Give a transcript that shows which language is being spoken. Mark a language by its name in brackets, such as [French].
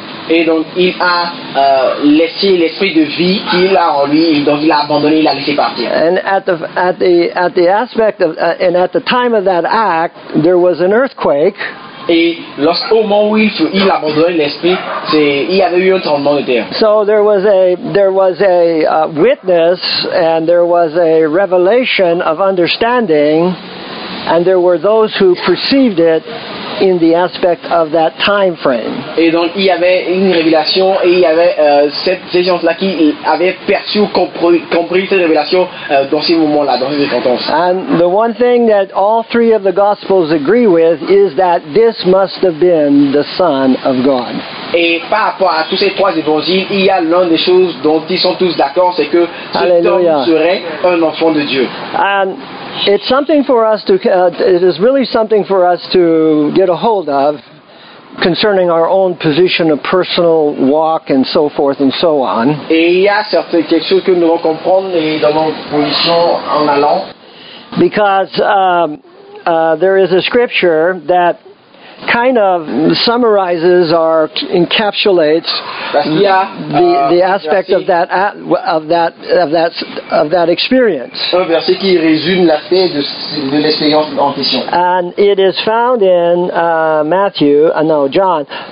[French] Et donc il a laissé l'esprit de vie qu'il a en lui, donc il a abandonné, il a laissé partir. [English] And at the aspect of and at the time of that act, there was an earthquake. [French] Et lorsqu'au moment où il abandonne l'esprit, il y avait eu un tremblement de terre. [English] So there was a witness and there was a revelation of understanding. And there were those who perceived it in the aspect of that time frame. [French] Et donc il y avait une révélation et il y avait ces gens-là qui avaient perçu, compris cette révélation dans ces moments-là, dans ces temps. [English] And the one thing that all three of the Gospels agree with is that this must have been the Son of God. [French] Et par rapport à tous ces trois évangiles, il y a l'une des choses dont ils sont tous d'accord, c'est que cet homme serait un enfant de Dieu. [English] And it's something for us to. It is really something for us to get a hold of concerning our own position of personal walk and so forth and so on. [French] Et il y a certaines quelque chose que nous devons comprendre et dans notre position en allant. [English] Because there is a scripture that kind of summarizes or encapsulates the aspect of that experience. [French] Un verset qui résume l'aspect de l'expérience en question. [English] And it is found in Matthew, no, John.